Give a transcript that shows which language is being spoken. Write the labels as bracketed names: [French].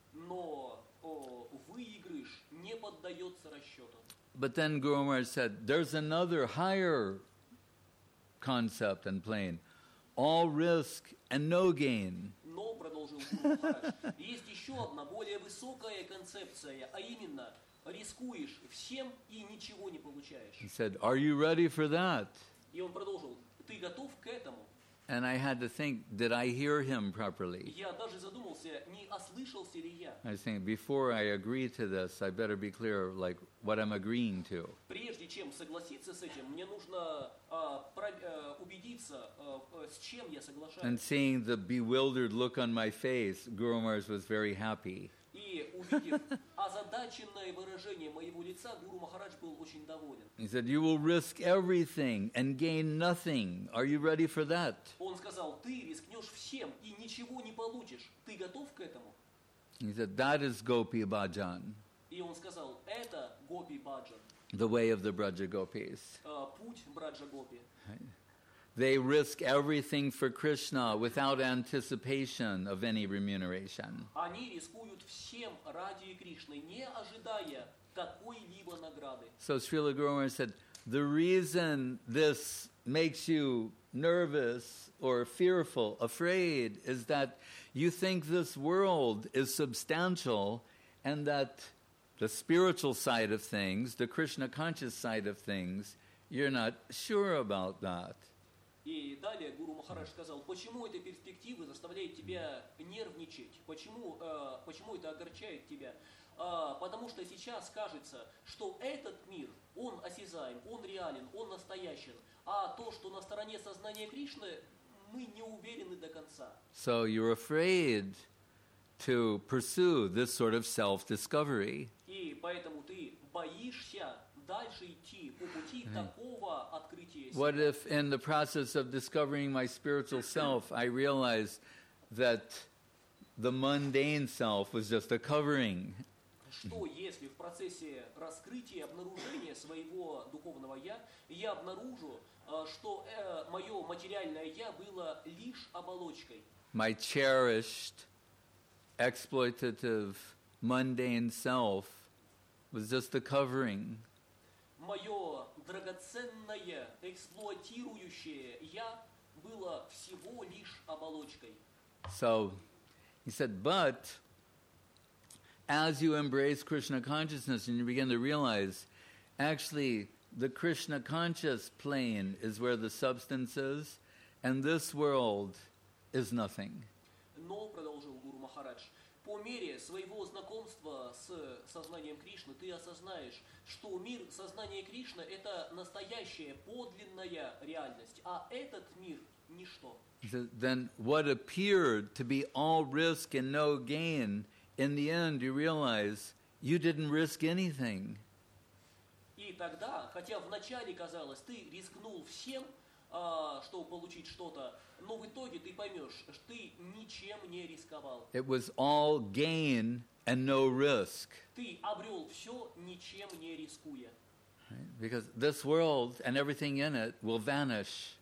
[Russian] Но выигрыш не поддается расчету. [English] But then Guru Maharaj said, there's another higher concept and plane. All risk and no gain. [Russian] Но, продолжил Гуру Махарадж, есть еще одна более высокая концепция, а именно, рискуешь всем и ничего не получаешь. [English] He said, are you ready for that? [Russian] И он продолжил, ты готов к этому? [English] And I had to think, did I hear him properly? [Russian] Я даже задумался, не ослышался ли я? [English] I think, before I agree to this, I better be clear, like, what I'm agreeing to. [Russian] Прежде чем согласиться с этим, мне нужно убедиться, с чем я соглашаюсь. [English] And seeing the bewildered look on my face, Guru Maharaj was very happy. [Russian] И увидев озадаченное выражение моего лица, Гуру Махарадж был очень доволен. [English] He said, you will risk everything and gain nothing. Are you ready for that? [Russian] Он сказал, ты рискнешь всем и ничего не получишь. Ты готов к этому? [English] He said, that is Gopi Bhajan. [Russian] И он сказал, это Гопи Бхаджан. [English] The way of the Braja Gopis. [Russian] Путь Браджа Гопи. [English] They risk everything for Krishna without anticipation of any remuneration. [Russian] Они рискуют всем ради Кришны, не ожидая какой-либо награды. [English] So Srila Guru Maharaj said, the reason this makes you nervous or fearful, afraid, is that you think this world is substantial and that the spiritual side of things, the Krishna conscious side of things, you're not sure about that. [Russian] И далее Гуру Махарадж сказал, почему эта перспектива заставляет тебя нервничать, почему это огорчает тебя? Потому что сейчас кажется, что этот мир, он осязаем, он реален, он настоящий, а то, что на стороне сознания Кришны, мы не уверены до конца. [English] So you're afraid to pursue this sort of self-discovery. [Russian] И поэтому ты боишься дальше идти по пути такого открытия. [English] What if in the process of discovering my spiritual self, I realized that the mundane self was just a covering? [Russian] Что если в процессе раскрытия и обнаружения своего духовного я, я обнаружу, что мое материальное я было лишь оболочкой? [English] My cherished, exploitative, mundane self was just the covering. [Russian] Мое драгоценное, эксплуатирующее я было всего лишь оболочкой. [English] So, he said, but as you embrace Krishna consciousness and you begin to realize, actually, the Krishna conscious plane is where the substance is, and this world is nothing. [Russian] Но, продолжил Гуру Махарадж, по мере своего знакомства с сознанием Кришны, ты осознаешь, что мир сознания Кришны – это настоящая, подлинная реальность, а этот мир – ничто. [English] Then what appeared to be all risk and no gain, in the end you realize you didn't risk anything. [Russian] И тогда, хотя вначале казалось, ты рискнул всем, чтобы получить что-то, но в итоге ты поймешь, что ты ничем не рисковал. [English] It was all gain and no risk. [Russian] Ты обрел все, ничем не рискуя. [English] Right? Because this world and everything in it will vanish.